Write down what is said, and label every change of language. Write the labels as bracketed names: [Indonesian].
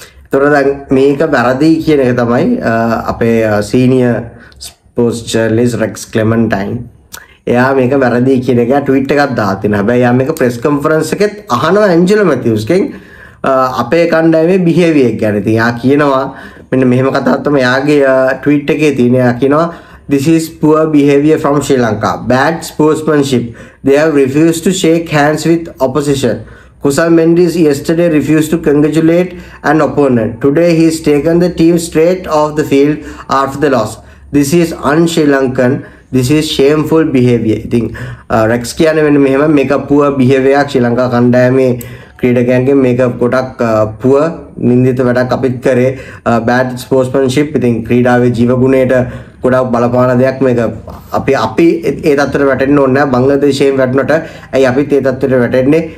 [Sinhala] ඒතොර දැන් මේක වැරදි කියන එක තමයි අපේ සීනියර් ස්පෝර්ට්ස් ජර්නලිස් රෙක්ස් ක්ලෙමන්ටයින්. එයා මේක වැරදි කියන එක ට්වීට් එකක් දා තින. හැබැයි යා මේක ප්‍රෙස් කොන්ෆරන්ස් එකෙත් අහනවා ඇන්ජලෝ මැතිව්ස්ගෙන් අපේ කණ්ඩායමේ බිහේවියර් එක ගැන. ඉතින් යා කියනවා මෙන්න මෙහෙම කතා තමයි යාගේ ට්වීට් එකේ තියෙන. යා කියනවා [English] this is poor behavior from Sri Lanka, bad sportsmanship, they have refused to shake hands with opposition. Kusal Mendis yesterday refused to congratulate an opponent. Today he has taken the team straight off the field after the loss. This is un-Sri Lankan. This is shameful behavior. [Sinhala] ඉතින් රෙක්ස් කියන්නේ මෙන්න මෙහෙම මේක [English] poor behavior [Sinhala] එකක් ශ්‍රී ලංකා කණ්ඩායමේ ක්‍රීඩකයන්ගෙන්. මේක ගොඩක් පුව නිඳිත වැඩක් අපිත් කරේ. බෑඩ් ස්පෝර්ට්ස්මැන්ෂිප්. ඉතින් ක්‍රීඩාවේ ජීවගුණයට ගොඩක් බලපාන දෙයක් මේක. අපි ඒ තත්ත්වයට වැටෙන්න ඕනේ නැහැ. බංගලාදේශයෙන් වැටුණට ඇයි අපිත් ඒ තත්ත්වයට වැටෙන්නේ?